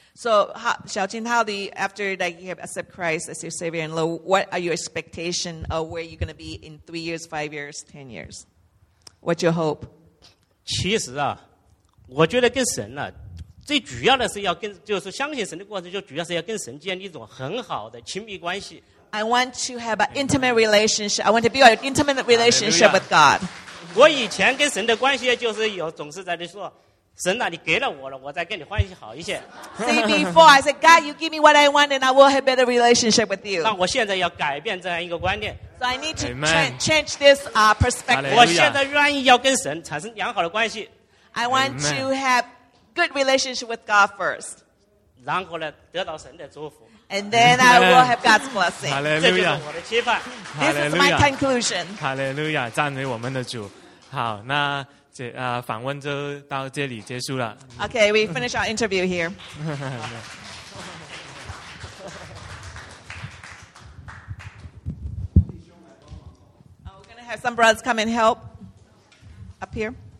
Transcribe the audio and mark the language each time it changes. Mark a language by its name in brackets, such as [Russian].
[English] ？So, how, 小青 ，How do you, after that you have accepted Christ as your Savior and Lord? What are your expectation of where you're going to be in 3 years, 5 years, 10 years? What's your hope? [Chinese] 其实啊，我觉得跟神呢、啊，最主要的是要跟，就是相信神的过程，就主要是要跟神建立一种很好的亲密关系。 [English] I want to have an intimate relationship. I want to build an intimate relationship、 Hallelujah. with God. [Chinese] 我以前跟神的关系就是有总是在那说神啊你给了我了我再跟你关系好一些 [English] See before I said God you give me what I want and I will have a better relationship with you [Chinese] 那我现在要改变这样一个观念 [English] So I need to change this perspective、 [Chinese] Amen. 我现在愿意要跟神产生良好的关系 [English] I want、 Amen. to have good relationship with God first [Chinese] 然后呢得到神的祝福 [English] And then I will have God's blessing、 Amen. [Chinese] 这就是我的期盼 [English] This is my conclusion. [Chinese] Hallelujah. 赞美我们的主。好，那这访问就到这里结束了。 [English] Okay, we finish our interview here. 、we're going to have some brothers come and help up here.